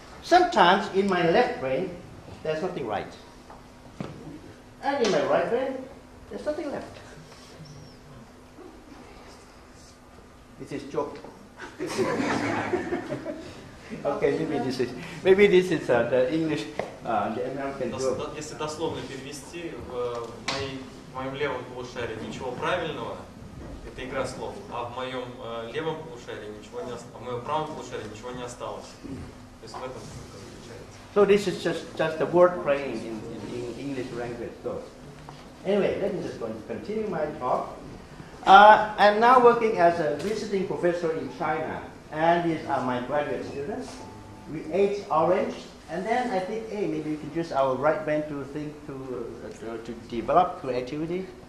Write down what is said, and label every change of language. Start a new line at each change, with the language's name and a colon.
English: Sometimes in my left brain, there's nothing right. And in my right brain, there's nothing left. This is joke. Okay, maybe this is the English, the American joke.
Russian: Если дословно перевести, в моем левом полушарии ничего правильного, это игра слов, а в моем левом полушарии ничего не осталось, а в моем правом полушарии ничего не осталось. То есть в этом заключается.
English: So this is just the word praying in English language. So anyway, let me just continue my talk. I'm now working as a visiting professor in China, and these are my graduate students. We ate orange, and then I think, hey, maybe we can use our right brain to think, to develop creativity.